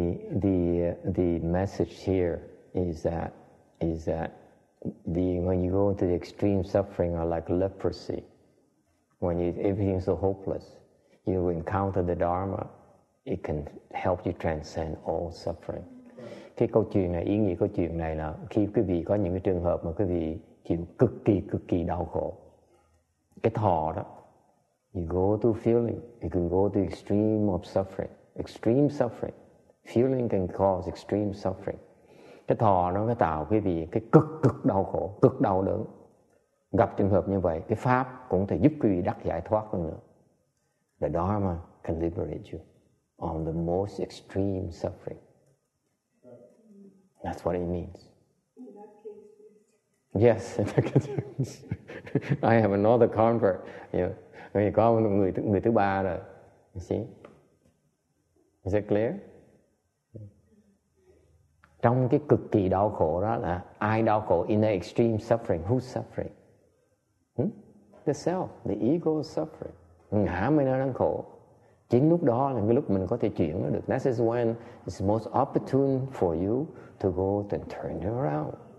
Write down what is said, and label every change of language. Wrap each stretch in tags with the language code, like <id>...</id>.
<en>The message here is that the when you go into the extreme suffering or like leprosy, when everything's so hopeless, you encounter the Dharma, it can help you transcend all suffering.</en> <vi>Cái câu chuyện này, ý nghĩa câu chuyện này là khi quý vị có những cái trường hợp mà quý vị chịu cực kỳ đau khổ, cái thọ đó,</vi> <en>you go to feeling, you can go to extreme of suffering, extreme suffering. Feeling can cause extreme suffering.</en> <vi>Cái thọ nó mới tạo quý vị cái cực đau khổ, cực đau đớn. Gặp trường hợp như vậy, cái pháp cũng có thể giúp quý vị đắc giải thoát hơn nữa.</vi> <en>The Dharma can liberate you on the most extreme suffering. That's what it means. Yes, in that case, I have another convert. Yeah.</en> <vi>Có một người thứ ba rồi.</vi> <en>You see? Is it clear?</en> <vi>Trong cái cực kỳ đau khổ đó là ai đau khổ?</vi> <en>In the extreme suffering, who's suffering? The self, the ego is suffering.</en> <vi>Ngã mới nó đang khổ. Chính lúc đó là cái lúc mình có thể chuyển nó được.</vi> <en>That is when it's most opportune for you to go and turn it around.</en>